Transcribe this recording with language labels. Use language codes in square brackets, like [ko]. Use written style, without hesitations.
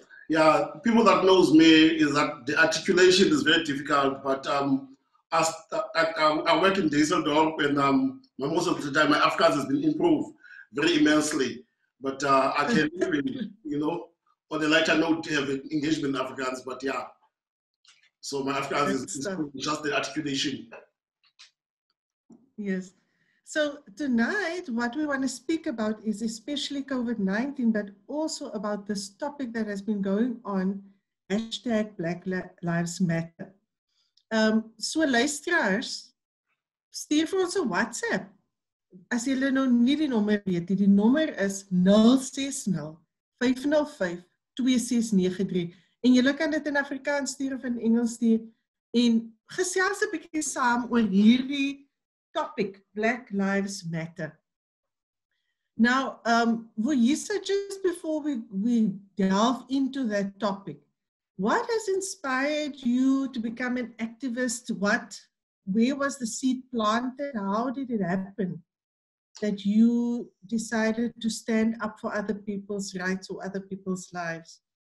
[en] Yeah, people that knows me is that the articulation is very difficult, but I work in Düsseldorf and most of the time my Afrikaans has been improved very immensely, but I can even, you know, on the lighter note, have an engagement in Afrikaans, but yeah, so my Afrikaans is just the articulation. Yes. So tonight, what we want to speak about is especially COVID-19, but also about this topic that has been going on, hashtag Black Lives Matter. [af] So luisteraars, stuur vir ons 'n WhatsApp. As julle nou nie die nommer weet, die nommer is 060-505-2693. En julle kan dit in Afrikaans stuur of in Engels stuur. En gesels 'n bietjie saam oor hierdie topic, Black Lives Matter. [en] Now, Voisa, just before we delve into that topic, what has inspired you to become an activist? Where was the seed planted? How did it happen that you decided to stand up for other people's rights or other people's lives?